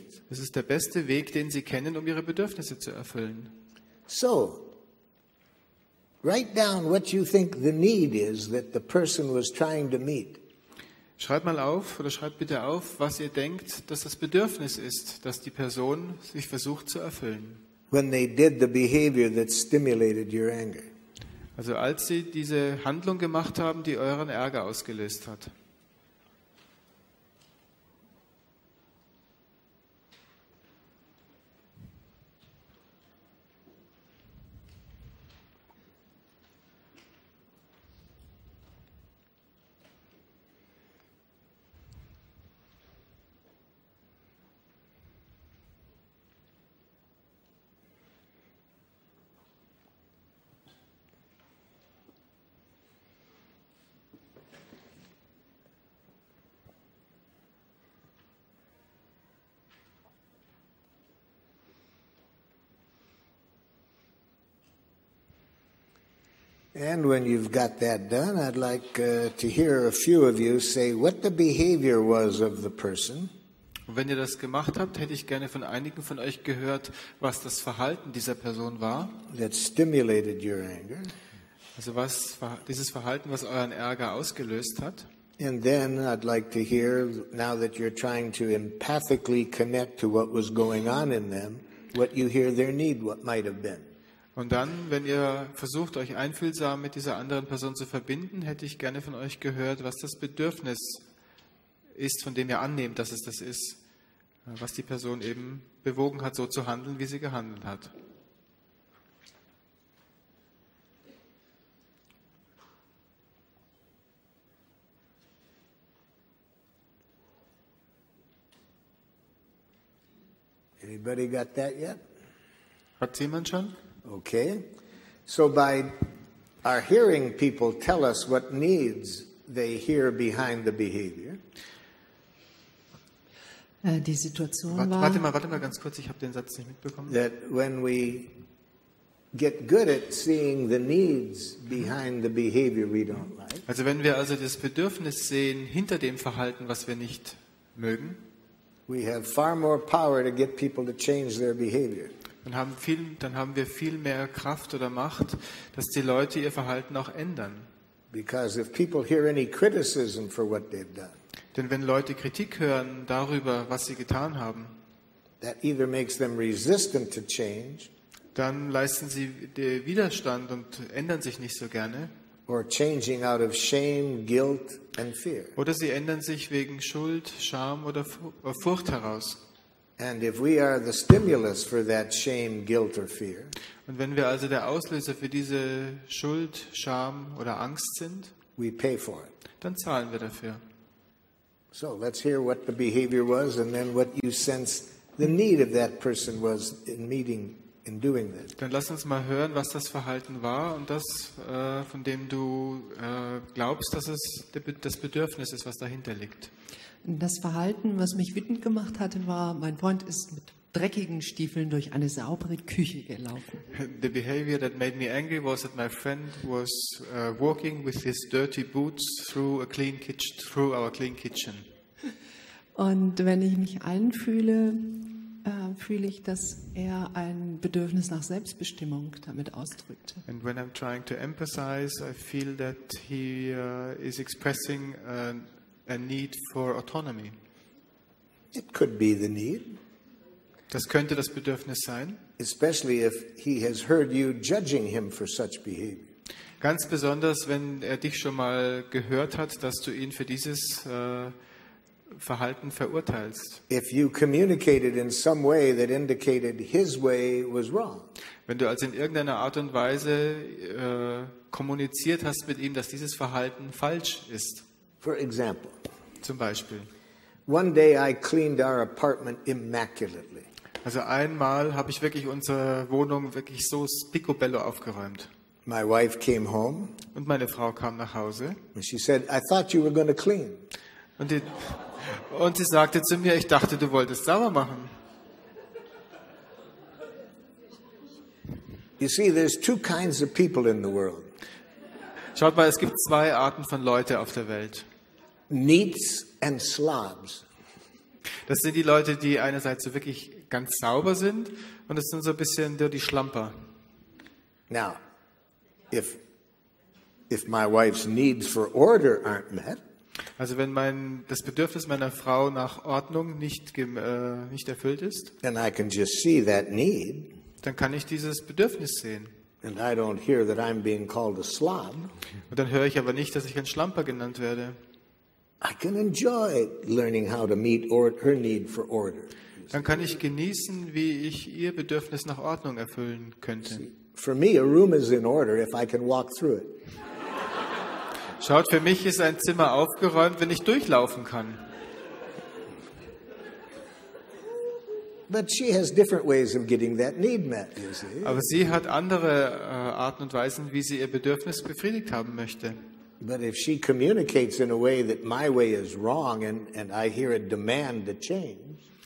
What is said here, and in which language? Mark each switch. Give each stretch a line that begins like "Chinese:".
German: Es ist der beste Weg, den sie kennen, um ihre Bedürfnisse zu erfüllen.
English: So, write down what you think the need is that the person was trying to meet.
German: Schreibt mal auf oder schreibt bitte auf, was ihr denkt, dass das Bedürfnis ist, das die Person sich versucht zu erfüllen.
English: When they did the behavior that stimulated your anger.
German: Also als sie diese Handlung gemacht haben, die euren Ärger ausgelöst hat.
English: And when you've got that done, I'd like to hear a few of you say what the behavior was of the person.
German: Und wenn ihr das gemacht habt, hätte ich gerne von einigen von euch gehört, was das Verhalten dieser Person war.
English: That stimulated your anger.
German: Also was war dieses Verhalten, was euren Ärger ausgelöst hat?
English: And then I'd like to hear, now that you're trying to empathically connect to what was going on in them, what you hear their need, what might have been.
German: Und dann, wenn ihr versucht, euch einfühlsam mit dieser anderen Person zu verbinden, hätte ich gerne von euch gehört, was das Bedürfnis ist, von dem ihr annehmt, dass es das ist, was die Person eben bewogen hat, so zu handeln, wie sie gehandelt hat.
English: Anybody got that yet?
German: Hat jemand schon?
English: Okay. So by our hearing people tell us what needs they hear behind the behavior.
German: Die Situation warte mal ganz kurz, ich habe den Satz nicht mitbekommen.
English: That when we get good at seeing the needs behind the behavior we don't like.
German: Also wenn wir also das Bedürfnis sehen hinter dem Verhalten, was wir nicht mögen,
English: we have far more power to get people to change their behavior.
German: Dann haben wir viel mehr Kraft oder Macht, dass die Leute ihr Verhalten auch ändern.
English: Because if people hear any criticism for what they've done,
German: denn wenn Leute Kritik hören darüber, was sie getan haben,
English: that either makes them resistant to change,
German: dann leisten sie den Widerstand und ändern sich nicht so gerne.
English: Or changing out of shame, guilt and fear.
German: Oder sie ändern sich wegen Schuld, Scham oder Furcht heraus.
English: And if we are the stimulus for that shame, guilt or fear.
German: Und wenn wir also der Auslöser für diese Schuld, Scham oder Angst sind,
English: we pay for it.
German: Dann zahlen wir dafür.
English: So let's hear what the behavior was and then what you sense the need of that person was in meeting. In doing that.
German: Dann lass uns mal hören, was das Verhalten war und das, von dem du glaubst, dass es das Bedürfnis ist, was dahinter liegt. Das Verhalten, was mich wütend gemacht hatte, war, mein Freund ist mit dreckigen Stiefeln durch eine saubere Küche gelaufen.
English: The behavior that made me angry was that my friend was walking with his dirty boots through our clean kitchen.
German: Und wenn ich mich einfühle, fühle ich, dass er ein Bedürfnis nach Selbstbestimmung damit ausdrückt.
English: And when I'm trying to empathize, I feel that he is expressing a need for autonomy. It could be the need.
German: Das könnte das Bedürfnis sein.
English: Especially if he has heard you judging him for such behavior.
German: Ganz besonders, wenn er dich schon mal gehört hat, dass du ihn für dieses Verhalten verurteilst.
English: If you communicated in some way that indicated his way was wrong.
German: Wenn du also in irgendeiner Art und Weise kommuniziert hast mit ihm, dass dieses Verhalten falsch ist.
English: For example.
German: Zum Beispiel.
English: One day I cleaned our apartment immaculately.
German: Also einmal habe ich wirklich unsere Wohnung wirklich so picobello aufgeräumt.
English: My wife came home.
German: Und meine Frau kam nach Hause.
English: And she said, I thought you were going to clean.
German: Und sie sagte zu mir, ich dachte, du wolltest sauber machen.
English: You see, there's two kinds of people in the world.
German: Schaut mal, es gibt zwei Arten von Leute auf der Welt.
English: Neats and slobs.
German: Das sind die Leute, die einerseits so wirklich ganz sauber sind und es sind so ein bisschen die Schlamper.
English: Now, if my wife's needs for order aren't met,
German: also wenn das Bedürfnis meiner Frau nach Ordnung nicht erfüllt ist,
English: and I can just see that need,
German: dann kann ich dieses Bedürfnis sehen.
English: And I don't hear that I'm being called a slob.
German: Und dann höre ich aber nicht, dass ich ein Schlamper genannt werde.
English: I can enjoy learning how to meet her need for order.
German: Dann kann ich genießen, wie ich ihr Bedürfnis nach Ordnung erfüllen könnte.
English: For me, a room is in order if I can walk through it.
German: Schaut, für mich ist ein Zimmer aufgeräumt, wenn ich durchlaufen kann.
English: But she has different ways of getting that need met, you see.
German: Aber sie hat andere Arten und Weisen, wie sie ihr Bedürfnis befriedigt haben möchte.
English: But if she communicates in a way that my way is wrong and I hear a demand to change.